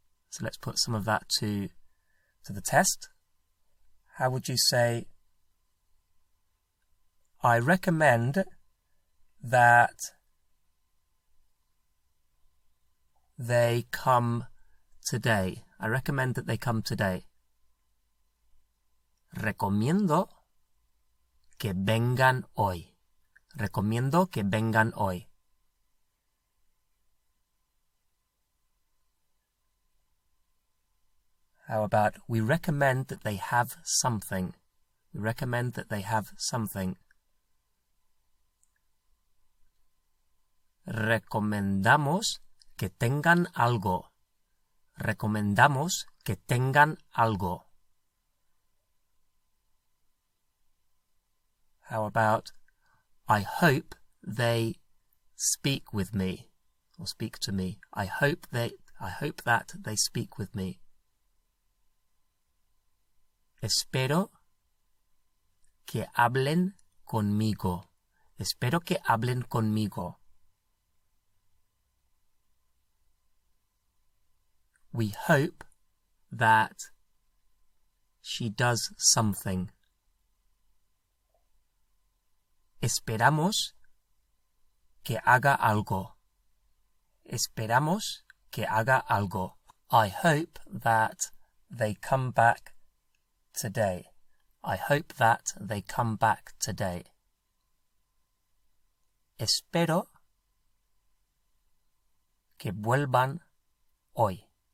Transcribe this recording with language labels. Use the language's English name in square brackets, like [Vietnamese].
[English] So let's put some of that to the test. How would you say, I recommend that they come today. I recommend that they come today. [Spanish] Recomiendo que vengan hoy. Recomiendo que vengan hoy. [English] How about, we recommend that they have something. We recommend that they have something. [Spanish] Recomendamos que tengan algo. Recomendamos que tengan algo. [English] How about, I hope they speak with me, or speak to me. I hope that they speak with me. [Spanish] Espero que hablen conmigo. Espero que hablen conmigo. [English] We hope that she does something. [Spanish] Esperamos que haga algo. Esperamos que haga algo. [English] I hope that they come back today. I hope that they come back today. [Spanish] Espero que vuelvan hoy.